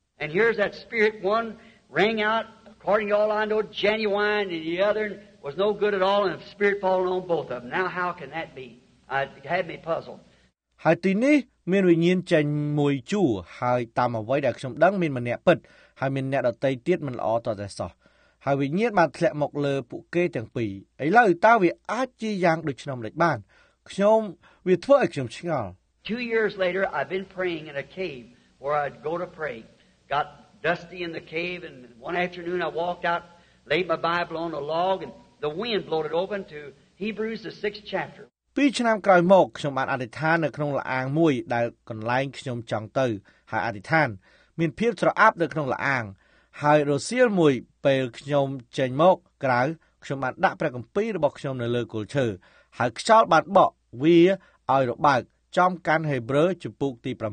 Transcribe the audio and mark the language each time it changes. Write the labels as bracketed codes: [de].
[en] And here's that spirit one rang out according to all I know genuine and the other was no good at all and the spirit falling on both of them. Now how can that be? It had me puzzled. [km] ហើយទីនេះមានវិញ្ញាណចាញ់មួយជួរហើយតាមអ្វីដែលខ្ញុំដឹងមានម្នាក់ពិតហើយមានអ្នកដទៃទៀតមិនល្អតតែសោះហើយវិញ្ញាណបានធ្លាក់មកលើពួកគេទាំងពីរឥឡូវតើវាអាចជាយ៉ាងដូចខ្ញុំម្ល៉េះបានខ្ញុំវាធ្វើឲ្យខ្ញុំឆ្ងល់ [en] 2 years later I've been praying in a cave where I'd go to pray got dusty in the cave and one afternoon I walked out laid my bible on a log and the wind blew it open to Hebrews the 6th chapter [km] 2 ឆ្នាំក្រោយមកខ្ញុំបានអធិដ្ឋាននៅក្នុងល្អាងមួយដែលកន្លែងខ្ញុំចង់ទៅហើយអធិដ្ឋានមានភាពស្រអាប់នៅក្នុងល្អាងហើយរសៀលមួយពេលខ្ញុំចេញមកក្រៅខ្ញុំបានដាក់ព្រះគម្ពីររបស់ខ្ញុំនៅលើគល់ឈើហើយខ្យល់បានបក់វាឲ្យរបើកចំកាន់ហេប្រឺជំពូកទី